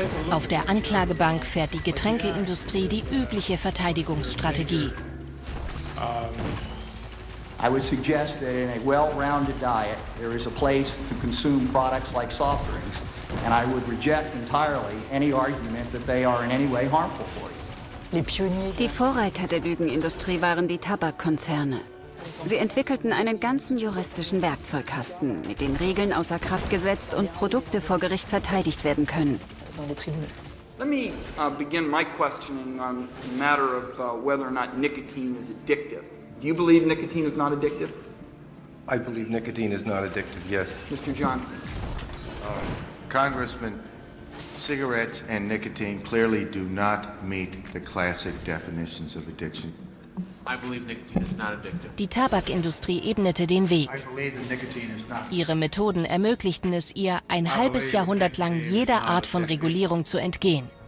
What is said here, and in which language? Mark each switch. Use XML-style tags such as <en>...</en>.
<de>Auf der Anklagebank fährt die Getränkeindustrie die übliche Verteidigungsstrategie.</de> <en>I would suggest that in a well-rounded diet there is a place to consume products like soft drinks, and I would reject entirely any argument that they are in any way harmful for you.</en> <de>Die Vorreiter der Lügenindustrie waren die Tabakkonzerne. Sie entwickelten einen ganzen juristischen Werkzeugkasten, mit dem Regeln außer Kraft gesetzt und Produkte vor Gericht verteidigt werden können.</de> <en>Let me begin my questioning on the matter of whether or not nicotine is addictive. Do you believe nicotine is not addictive? I believe nicotine is not addictive, yes. Mr. Johnson. Congressman, cigarettes and nicotine clearly do not meet the classic definitions of addiction. I believe nicotine is not addictive.</en> <de>Die Tabakindustrie ebnete den Weg. Ihre Methoden ermöglichten es ihr, ein halbes Jahrhundert lang jeder Art von Regulierung zu entgehen.</de>